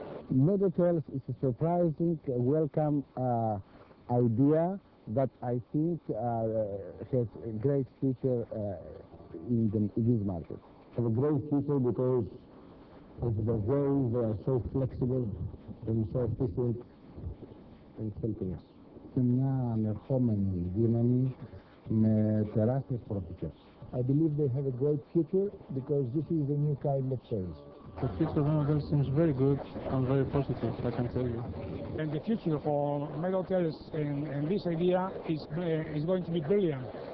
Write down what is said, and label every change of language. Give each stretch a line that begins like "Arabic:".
English: Med Hotels is a surprising, welcome idea that I think has a great future in this market. Have a great future because of the way they are so flexible and so efficient in helping us.
Greek: Είναι μια ανερχόμενη δύναμη με τεράστιες προοπτικές.
English: I believe they have a great future because this is a new kind of service. The future of Med Hotels seems very good and very positive, I can tell you. And the future for Med Hotels and this idea is going to be brilliant.